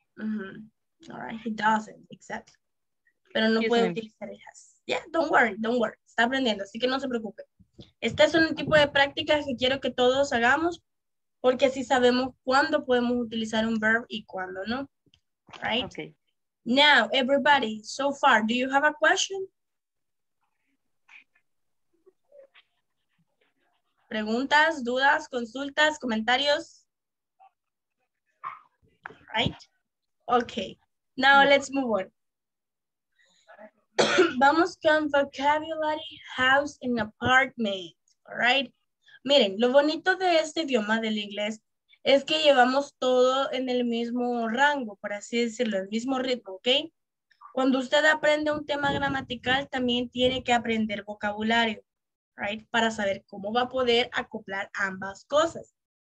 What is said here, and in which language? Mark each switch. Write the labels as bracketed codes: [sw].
[en] Mm-hmm. All right. He doesn't. Exactly. [es] Pero no puede utilizar [en] he has. Yeah, don't worry, [es] está aprendiendo, así que no se preocupe. Este es un tipo de práctica que quiero que todos hagamos, porque así sabemos cuándo podemos utilizar un verb y cuándo no, right? [en] Okay. Now, everybody, so far, do you have a question? [es] Preguntas, dudas, consultas, comentarios? [en] Right? Okay, now let's move on. [es] Vamos con [en] vocabulary, house and apartment, all right? [es] Miren, lo bonito de este idioma del inglés es que llevamos todo en el mismo rango, por así decirlo, el mismo ritmo, ¿ok? Cuando usted aprende un tema gramatical, también tiene que aprender vocabulario, right? Para saber cómo va a poder acoplar ambas cosas.